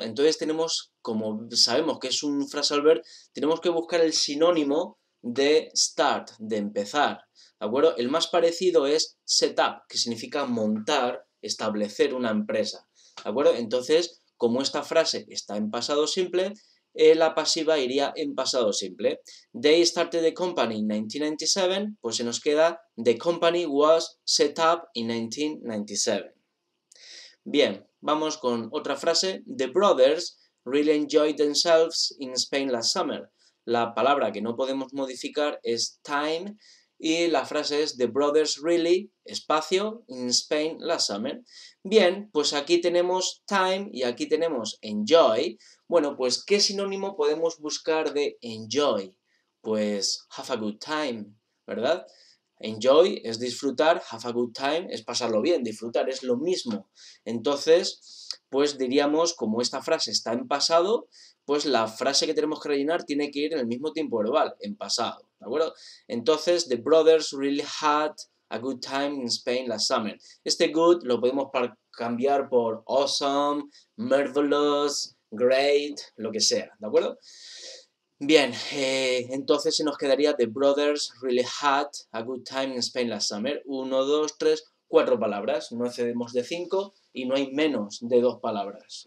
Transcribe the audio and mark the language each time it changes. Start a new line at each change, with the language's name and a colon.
Spanish: Entonces tenemos, como sabemos que es un phrasal verb, tenemos que buscar el sinónimo de start, de empezar. ¿De acuerdo? El más parecido es set up, que significa montar, establecer una empresa. ¿De acuerdo? Entonces, como esta frase está en pasado simple, la pasiva iría en pasado simple.
English: They started the company in 1997,
Spanish: pues se nos queda
English: the company was set up in 1997.
Spanish: Bien. Vamos con otra frase.
English: The brothers really enjoyed themselves in Spain last summer.
Spanish: La palabra que no podemos modificar es time y la frase es
English: the brothers really,
Spanish: espacio,
English: in Spain last summer.
Spanish: Bien, pues aquí tenemos time y aquí tenemos enjoy. Bueno, pues ¿qué sinónimo podemos buscar de enjoy? Pues
English: have a good time,
Spanish: ¿verdad? Enjoy es disfrutar, have a good time es pasarlo bien, disfrutar es lo mismo. Entonces, pues diríamos, como esta frase está en pasado, pues la frase que tenemos que rellenar tiene que ir en el mismo tiempo verbal, en pasado, ¿de acuerdo? Entonces,
English: the brothers really had a good time in Spain last summer.
Spanish: Este good lo podemos cambiar por awesome, marvelous, great, lo que sea, ¿de acuerdo? Bien, entonces se nos quedaría
English: the brothers really had a good time in Spain last summer.
Spanish: 1, 2, 3, 4 palabras. No excedemos de 5 y no hay menos de 2 palabras.